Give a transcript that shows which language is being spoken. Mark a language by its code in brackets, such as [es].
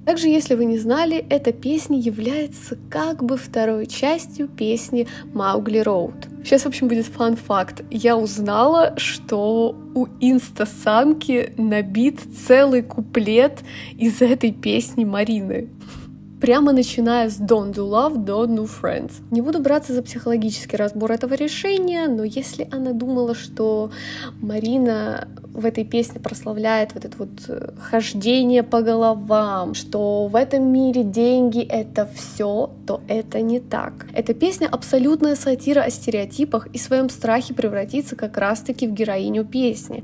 [ru] Также, если вы не знали, эта песня является как бы второй частью песни «Маугли Роуд». Сейчас, в общем, будет фан-факт. Я узнала, что у инстасамки набит целый куплет из этой песни Марины. Прямо начиная с [en] «Don't do love, don't do friends». [ru] Не буду браться за психологический разбор этого решения, но если она думала, что Марина в этой песне прославляет вот это вот хождение по головам, что в этом мире деньги — это все, то это не так. Эта песня — абсолютная сатира о стереотипах и своем страхе превратиться как раз-таки в героиню песни.